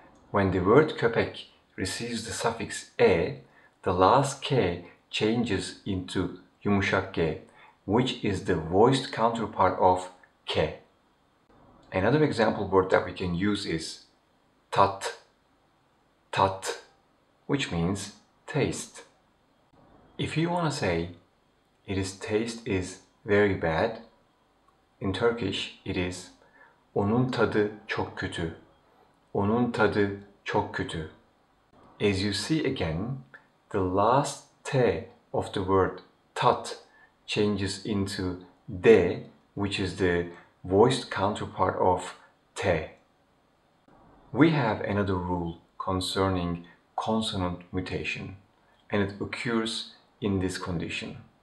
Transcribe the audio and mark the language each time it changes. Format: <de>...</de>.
<en>When the word köpek receives the suffix e, the last k changes into yumuşak g, which is the voiced counterpart of k. Another example word that we can use is tat, tat, which means taste. If you want to say its taste is very bad, in Turkish it is</en> <tr>onun tadı çok kötü,</tr> <en>onun tadı çok kötü. As you see again, the last T of the word tat changes into D, which is the voiced counterpart of T. We have another rule concerning consonant mutation, and it occurs in this condition.</en>